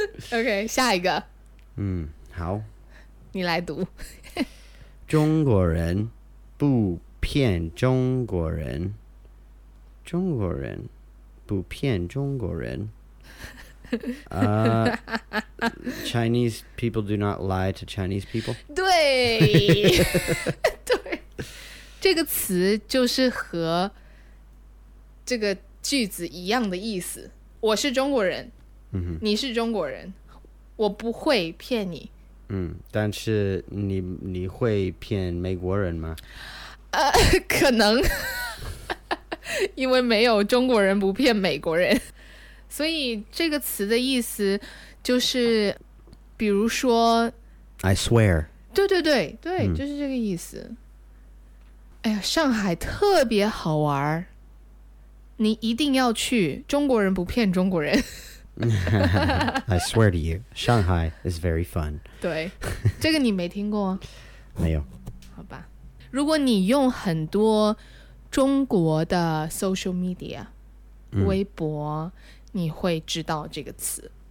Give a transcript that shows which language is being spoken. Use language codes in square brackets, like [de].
[zh] OK， 下一个。嗯，好，你来读。中国人不骗中国人，中国人不骗中国人。 [en] Chinese people do not lie to Chinese people. [zh] 对，对，这个词就是和这个句子一样的意思。我是中国人，嗯、你是中国人，我不会骗你。但是 你会骗美国人吗？可能因为没有中国人不骗美国人，所以这个词的意思就是比如说 [en] I swear， [zh] 对对对对，就是这个意思。哎呀，上海特别好玩，你一定要去，中国人不骗中国人。 [en] I swear to you, Shanghai is very fun. [zh] 对，这个你没听过？没有。好吧，如果你用很多中国的 social media、微博，你会知道这个词。